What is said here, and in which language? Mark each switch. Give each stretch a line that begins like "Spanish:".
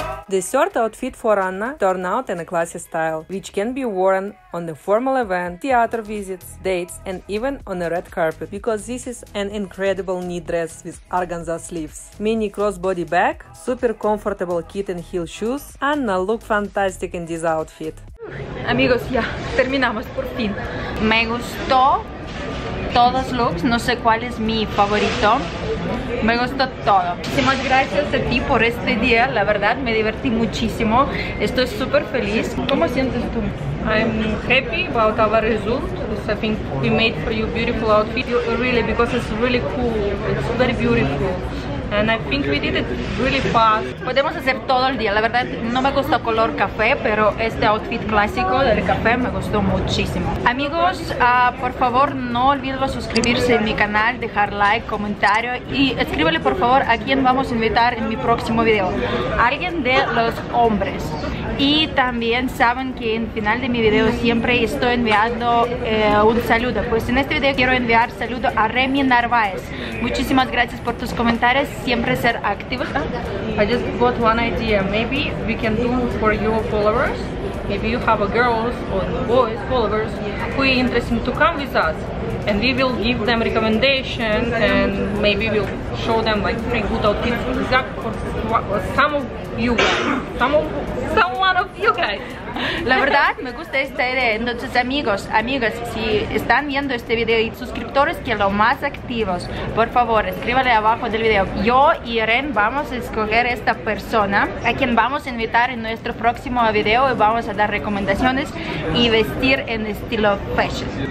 English: The third outfit for Anna turned out in a classy style, which can be worn on a formal event, theater visits, dates, and even on a red carpet, because this is an incredible knit dress with organza sleeves, mini crossbody bag, super comfortable kitten heel shoes. Anna looked fantastic in this outfit.
Spanish: Amigos, ya terminamos por fin. Me gustó todos looks, no sé cuál es mi favorito. Me gustó todo. Muchísimas gracias a ti por este día. La verdad, me divertí muchísimo. Estoy súper feliz. ¿Cómo sientes tú?
English: I'm happy about our result. I think we made for you beautiful outfit. Really, because it's really cool. It's very beautiful. And I think we did it really fast.
Spanish: Podemos hacer todo el día. La verdad, no me gusta color café, pero este outfit clásico del café me gustó muchísimo. Amigos, por favor, no olviden suscribirse en mi canal, dejar like, comentario y escríbele, por favor, a quién vamos a invitar en mi próximo video. Alguien de los hombres. Y también saben que en final de mi video siempre estoy enviando un saludo. Pues en este video quiero enviar saludo a Remy Narváez. Muchísimas gracias por tus comentarios. Siempre ser activos.
English: I just got one idea. Maybe we can do for your followers. If you have a girls or boys followers who are interested to come with us, and we will give them recommendations and maybe we'll show them like three good outfits exactly for some of you guys. Some of you guys.
Spanish: La verdad, me gusta esta idea. Entonces, amigos, amigas, si están viendo este video y suscriptores, que lo más activos, por favor, escríbanle abajo del video. Yo y Ren vamos a escoger esta persona a quien vamos a invitar en nuestro próximo video y vamos a dar recomendaciones y vestir en estilo fashion.